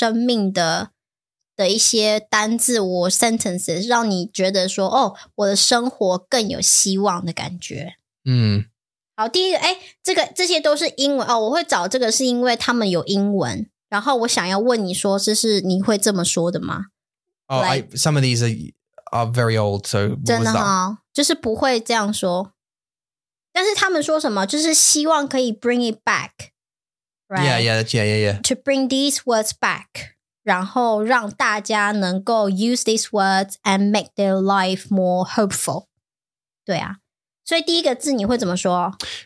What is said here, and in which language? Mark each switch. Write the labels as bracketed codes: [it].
[zh] 对啊，就是你要多讲一些很肯定生命的一些单字或 sentences， 让你觉得说哦，我的生活更有希望的感觉。嗯，好，第一个，哎，这个这些都是英文哦，我会找这个是因为他们有英文，然后我想要问你说，这是你会这么说的吗？Oh, [en] like, some of these are very old, so [zh] 真的哈，就是不会这样说。但是他们说什么，就是希望可以 [en] bring it back, right? Yeah, yeah, that's, yeah. To bring these words back, [zh] 然后让大家能够 [en] use these words and make their life more hopeful. [zh] 对啊，所以第一个字你会怎么说？